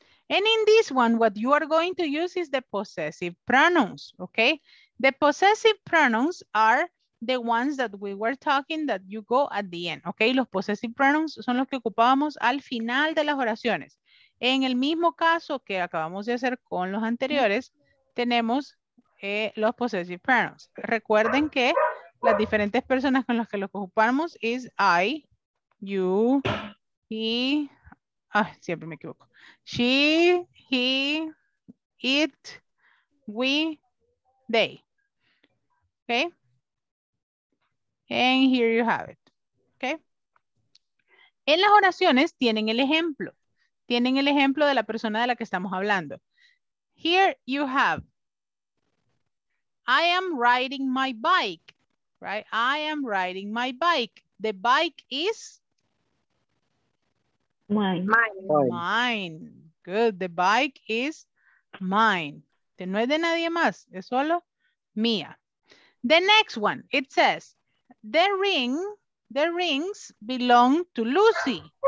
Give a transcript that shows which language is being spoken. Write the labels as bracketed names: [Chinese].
[English] And in this one, what you are going to use is the possessive pronouns, okay? The possessive pronouns are the ones that we were talking that you go at the end, okay? [Spanish] Los possessive pronouns son los que ocupábamos al final de las oraciones. En el mismo caso que acabamos de hacer con los anteriores, tenemos los possessive pronouns. Recuerden que las diferentes personas con las que los ocupamos [English] is I, you, he, [Spanish] siempre me equivoco. [English] She, he, it, we, they. Okay? And here you have it, okay? [Spanish] En las oraciones tienen el ejemplo. Tienen el ejemplo de la persona de la que estamos hablando. [English] Here you have, I am riding my bike, right? I am riding my bike. The bike is? Mine. Good, the bike is mine. [Spanish] Que no es de nadie más, es solo mía. [English] The next one, it says, The rings belong to Lucy.